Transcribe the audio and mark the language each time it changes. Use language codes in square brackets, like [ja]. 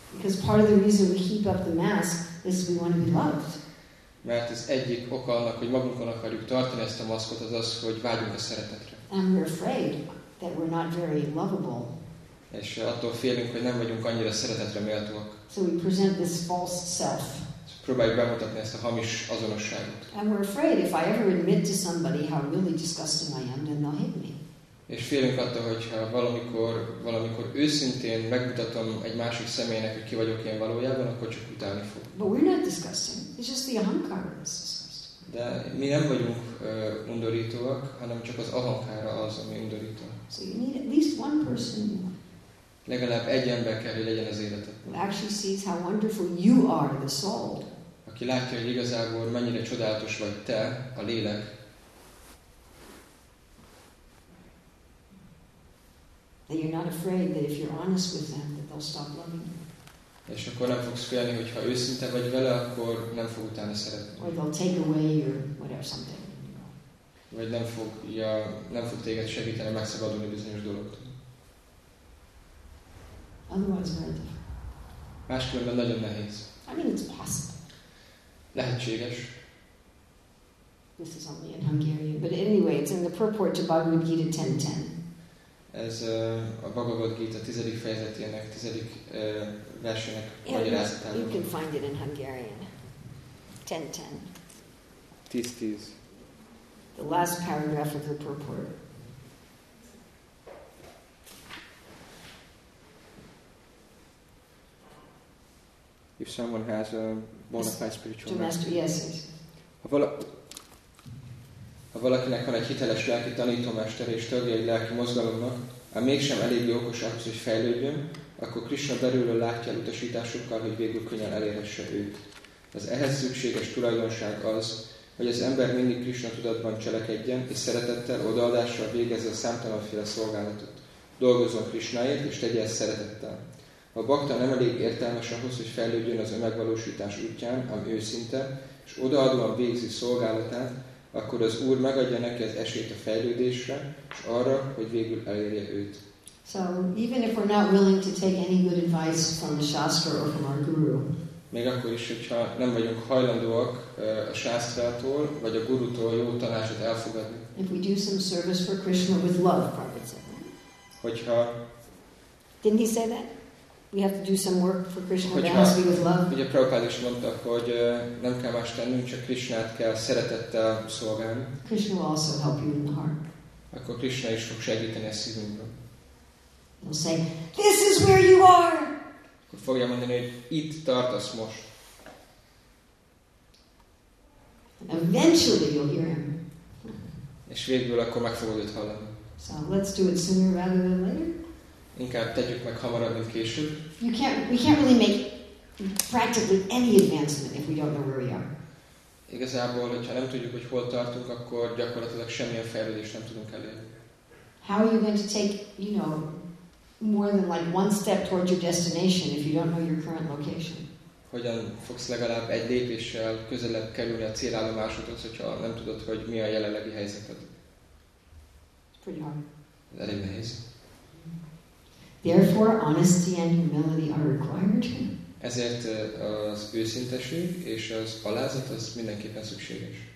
[en] Because part of the reason we keep up the mask is we want to be loved. [hu] Mert az egyik oka annak, hogy magunkon akarjuk tartani ezt a maszkot, az, hogy vágyunk a szeretetre. [en] And we're afraid that we're not very lovable. [hu] És attól félünk, hogy nem vagyunk annyira szeretetre méltóak. [en] So we present this false self. [hu] Próbáljuk bemutatni ezt a hamis azonosságot. [en] And we're afraid if I ever admit to somebody how really disgusting I am, then they'll hate me. [hu] És félünk attól, hogyha valamikor őszintén megmutatom egy másik személynek, hogy ki vagyok én valójában, akkor csak utálni fog. [en] But we're not disgusting. It's just the ahankara that's disgusting. [hu] De mi nem vagyunk undorítóak, hanem csak az ahankara az, ami undorító. [en] So you need at least one person. [hu] Legalább egy ember kell, hogy legyen az életedben. [en] Actually sees how wonderful you are, the soul. [hu] Aki látja, hogy igazából mennyire csodálatos vagy te, a lélek. [en] That you're not afraid that if you're honest with them that they'll stop loving you. [hu] És akkor nem fogsz félni, hogy ha őszinte vagy vele, akkor nem fog utána szeretni. [en] Or they'll take away your whatever something. [hu] Vagy nem fog téged segíteni megszabadulni bizonyos dologtól. [en] Otherwise, very difficult. [hu] Máskülönben nagyon nehéz. [en] I mean, it's possible. [hu] Lehetséges. [en] This is only in Hungarian, but anyway, it's in the purport to Bhagavad Gita 10:10. [hu] Ez a Bhagavad Gita 10. fejezetének, 10. versének magyarázatában. [en] You can find it in Hungarian. 10:10. 10:10. The last paragraph of the purport. If someone has a bona fide spiritual master, yes. [hu] Ha valakinek van egy hiteles lelki tanítómester és tagja egy lelki mozgalomnak, ha mégsem elég okos ahhoz, hogy fejlődjön, akkor Krisna belülről látja el utasításokkal, hogy végül könnyen elérhesse őt. Az ehhez szükséges tulajdonság az, hogy az ember mindig Krisna tudatban cselekedjen, és szeretettel, odaadással végezze a számtalanféle szolgálatot. Dolgozzon Krisnáért, és tegye ezt szeretettel. A bhakta nem elég értelmes ahhoz, hogy fejlődjön az önmegvalósítás útján, ami őszinte, és odaadóan végzi szolgálatát, akkor az Úr megadja neki az esélyt a fejlődésre, és arra, hogy végül elérje őt. [en] So, even if we're not willing to take any good advice from a shastra or from our guru. [hu] Még akkor is, hogyha nem vagyunk hajlandóak a shastrától vagy a gurutól jó tanácsot elfogadni. [en] If we do some service for Krishna with love, Prabhupada said. [hu] Hogyha. [en] Didn't he say that? We have to do some work for Krishna. [hu] Hogyha, [en] that has to be with love. [hu] Ugye Prabhupada is mondta, hogy nem kell más tennünk, csak Krishnát kell szeretettel szolgálni. [en] Krishna will also help you in the heart. [hu] Akkor Krishna is fog segíteni a szívünkben. [en] He'll say, this is where you are. [hu] Akkor fogja mondani, hogy itt tartasz most. [en] Eventually you'll hear him. [hu] És végül akkor meg fogod őt hallani. [en] So let's do it sooner rather than later. [hu] Inkább tegyük meg hamarabb, mint később. [en] You can't, we can't really make practically any advancement if we don't know where we are. [hu] Igazából, hogyha nem tudjuk, hogy hol tartunk, akkor gyakorlatilag semmilyen fejlődést nem tudunk elérni. [en] How are you going to take, you know, more than like one step towards your destination if you don't know your current location? [hu] Hogyan fogsz legalább egy lépéssel közelebb kerülni a célállomásodhoz, hogyha nem tudod, hogy mi a jelenlegi helyzeted? [en] Pretty hard. [hu] Elég nehéz. [en] Therefore, honesty and humility are required. [hu] Ezért az őszinteség és az alázat az mindenképpen szükséges.